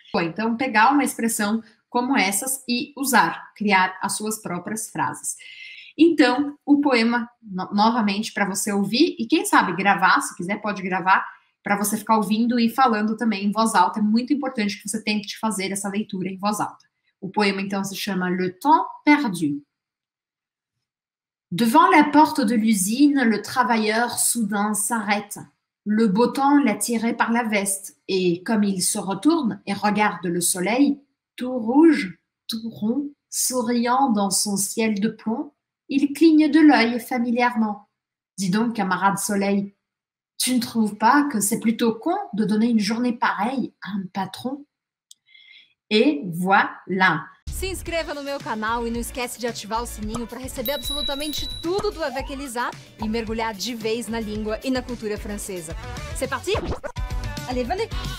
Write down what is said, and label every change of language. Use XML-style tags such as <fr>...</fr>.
<pt>Bom, então pegar uma expressão como essas e usar, criar as suas próprias frases. Então, o poema, novamente, para você ouvir, e quem sabe gravar, se quiser pode gravar, para você ficar ouvindo e falando também em voz alta. É muito importante que você tente fazer essa leitura em voz alta. O poema, então, se chama Le temps perdu.</pt> <fr>Devant la porte de l'usine, le travailleur soudain s'arrête. Le beau temps l'a tiré par la veste. Et comme il se retourne et regarde le soleil, tout rouge, tout rond, souriant dans son ciel de plomb, il cligne de l'œil familièrement. Dis donc, camarade soleil, tu ne trouves pas que c'est plutôt con de donner une journée pareille à un patron? Et voilà!</fr> <pt>Se inscreva no meu canal e não esquece de ativar o sininho para receber absolutamente tudo do Avec Elisa e mergulhar de vez na língua e na cultura francesa.</pt> <fr>C'est parti! Allez, venez!</fr>